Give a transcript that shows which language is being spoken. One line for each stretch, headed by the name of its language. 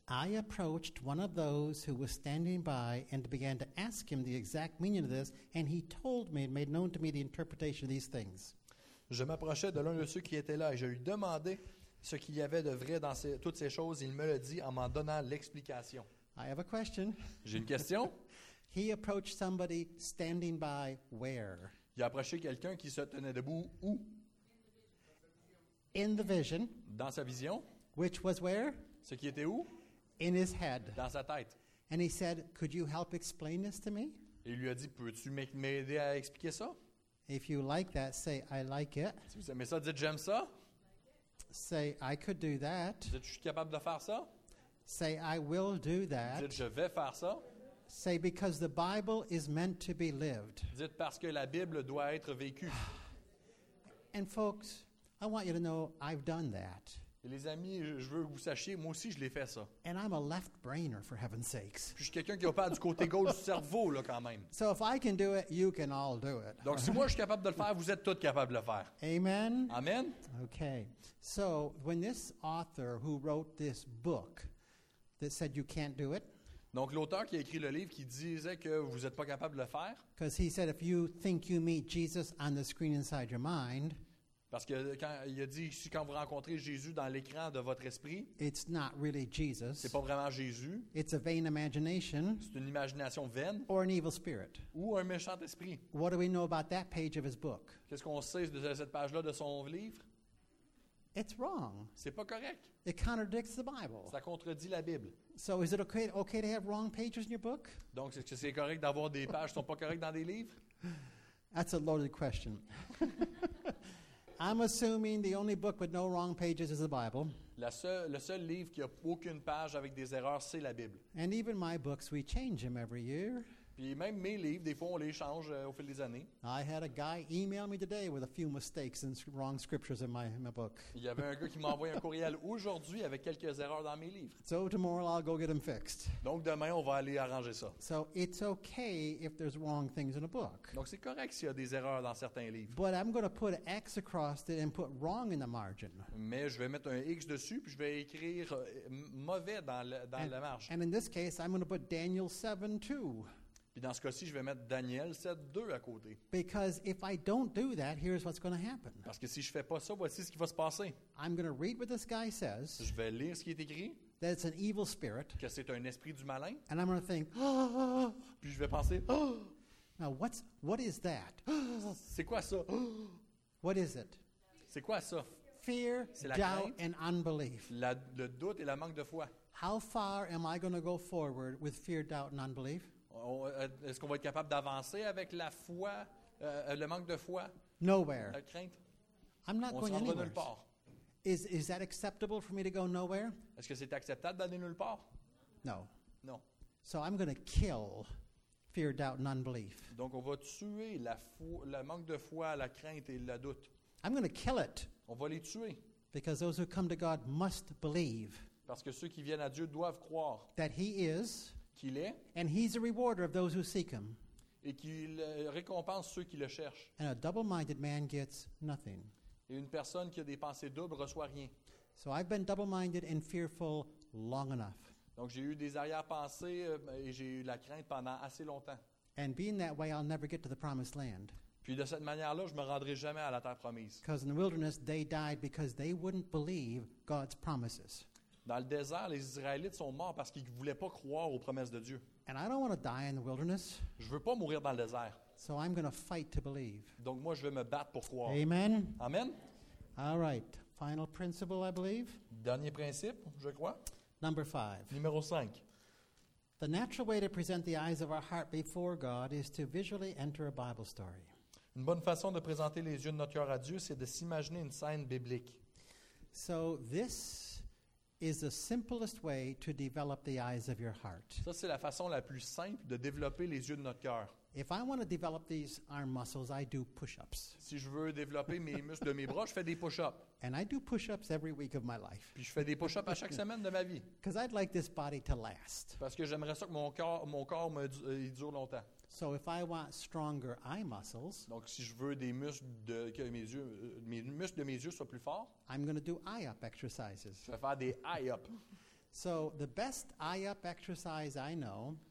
English: I approached one of those who was standing by and began to ask him the exact meaning of this, and he told me and made known to me the interpretation of these things.
French: Je m'approchais de l'un de ceux qui étaient là et je lui demandais ce qu'il y avait de vrai dans toutes ces choses. Il me le dit en m'en donnant l'explication.
English: I have a question.
French: J'ai une question.
English: He approached somebody standing by where?
French: Il a approché quelqu'un qui se tenait debout où?
English: In the vision.
French: Dans sa vision.
English: Which was where?
French: Ce qui était où?
English: In his head.
French: Dans sa tête.
English: And he said, could you help explain this to me?
French: Et il lui a dit, peux-tu m'aider à expliquer ça?
English: If you like that, say, I like it.
French: Si vous aimez ça, dites, j'aime ça.
English: Say, I could do that.
French: Dites, je suis capable de faire ça.
English: Say, I will do that.
French: Dites, je vais faire ça.
English: Say, because the Bible is meant to be lived.
French: Dites, parce que la Bible doit être vécue.
English: And folks, I want you to know, I've done that.
French: Et les amis, je veux que vous sachiez, moi aussi, je l'ai fait ça.
English: And I'm a left brainer, for heaven's sakes.
French: Puis je suis quelqu'un qui opère du côté gauche du cerveau, là, quand même.
English: So if I can do it, you can all do it.
French: Donc, si moi, je suis capable de le faire, vous êtes tous capables de le faire.
English: Amen.
French: Amen.
English: Okay. So, when this author who wrote this book that said you can't do it,
French: donc, l'auteur qui a écrit le livre qui disait que vous n'êtes pas capable de le faire,
English: because he said, if you think you meet Jesus on the screen inside your mind,
French: parce que quand il a dit, si quand vous rencontrez Jésus dans l'écran de votre esprit,
English: it's not really Jesus.
French: C'est pas vraiment Jésus.
English: It's a vain imagination.
French: C'est une imagination vaine.
English: Or an evil spirit.
French: Ou un méchant esprit.
English: What do we know about that page of his book?
French: Qu'est-ce qu'on sait de cette page-là de son livre?
English: It's wrong.
French: C'est pas correct.
English: It contradicts the Bible.
French: Ça contredit la Bible.
English: So is it okay to have wrong pages in your book?
French: Donc est-ce que c'est correct d'avoir des pages qui sont pas correctes dans des livres?
English: That's a loaded question. I'm assuming the only book with no wrong pages is the Bible.
French: Le seul livre qui a aucune page avec des erreurs, c'est la Bible.
English: And even my books, we change them every year.
French: Puis même mes livres, des fois, on les change au fil des années.
English: I had a guy email me today with a few mistakes and wrong scriptures in my book.
French: Il y avait un gars qui m'a envoyé un courriel aujourd'hui avec quelques erreurs dans mes livres.
English: So tomorrow I'll go get them fixed.
French: Donc demain, on va aller arranger ça.
English: So it's okay if there's wrong things in a book.
French: Donc c'est correct s'il y a des erreurs dans certains livres.
English: But I'm going to put an X across it and put wrong in the margin.
French: Mais je vais mettre un X dessus puis je vais écrire mauvais dans la marge.
English: And in this case, I'm going to put Daniel 7:2.
French: Puis dans ce cas-ci, je vais mettre Daniel 7:2 à côté.
English: Because if I don't do that, here's what's going to happen.
French: Parce que si je fais pas ça, voici ce qui va se passer.
English: I'm going to read what this guy says.
French: Je vais lire ce qui est écrit.
English: That it's an evil spirit.
French: Que c'est un esprit du malin.
English: And I'm going to think.
French: Puis je vais penser.
English: Now what is that?
French: C'est quoi ça?
English: What is it?
French: C'est quoi ça?
English: Fear, doubt, and unbelief.
French: Le doute et la manque de foi.
English: How far am I going to go forward with fear, doubt, and unbelief?
French: Est-ce qu'on va être capable d'avancer avec la foi, le manque de foi?
English: Nowhere.
French: La crainte?
English: I'm not
French: on
English: going
French: s'en
English: anywhere.
French: Va nulle part.
English: Is that acceptable for me to go nowhere?
French: Est-ce que c'est acceptable d'aller nulle part?
English: No.
French: Non.
English: So I'm going to kill fear, doubt, and unbelief.
French: Donc on va tuer le manque de foi, la crainte et le doute.
English: I'm going to kill it.
French: On va les tuer.
English: Because those who come to God must believe.
French: Parce que ceux qui viennent à Dieu doivent croire.
English: That he is.
French: Qu'il est.
English: And he's a rewarder of those who seek him.
French: Et qu'il récompense ceux qui le cherchent.
English: And a double-minded man gets nothing.
French: Et une personne qui a des pensées doubles reçoit rien.
English: So I've been double-minded and fearful long enough.
French: Donc j'ai eu des arrière-pensées et j'ai eu la crainte pendant assez longtemps.
English: And being that way, I'll never get to the promised land.
French: Puis de cette manière-là, je me rendrai jamais à la terre promise.
English: Because in the wilderness, they died because they wouldn't believe God's promises.
French: Dans le désert, les Israélites sont morts parce qu'ils ne voulaient pas croire aux promesses de Dieu.
English: And I don't want to die in the wilderness.
French: Je ne veux pas mourir dans le désert.
English: So I'm going to fight to believe.
French: Donc moi, je vais me battre pour croire.
English: Amen.
French: Amen.
English: All right. Final principle, I believe.
French: Dernier principe, je crois.
English: Number 5.
French: Numéro 5.
English: The natural way to present the eyes of our heart before God is to visually enter a Bible story.
French: Une bonne façon de présenter les yeux de notre cœur à Dieu, c'est de s'imaginer une scène biblique.
English: So this is the simplest way to develop the eyes of your heart.
French: Ça, c'est la façon la plus simple de développer les yeux de notre cœur.
English: If I want to develop these arm muscles, I do push-ups.
French: Si je veux développer mes muscles de mes bras, je fais des push-ups.
English: And I do push-ups every week of my life.
French: Puis je fais des push-ups à chaque semaine de ma vie.
English: Because I'd like this body to last.
French: Parce que j'aimerais ça que mon corps il dure longtemps.
English: So if I want stronger eye muscles,
French: donc si je veux des muscles de mes yeux soient plus forts,
English: I'm going to do eye-up exercises.
French: Je vais faire des eye-up.
English: So the best eye-up exercise I know.